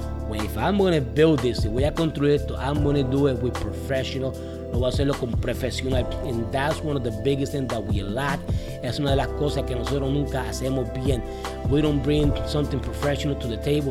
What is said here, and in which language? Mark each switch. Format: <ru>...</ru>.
<en>Well, if I'm going to build this,</en> <es>si voy a construir esto,</es> <en>I'm going to do it with professional.</en> <es>Lo voy a hacerlo con profesional.</es> <en>And that's one of the biggest things that we lack.</en> <es>Es una de las cosas que nosotros nunca hacemos bien.</es> <en>We don't bring something professional to the table.</en>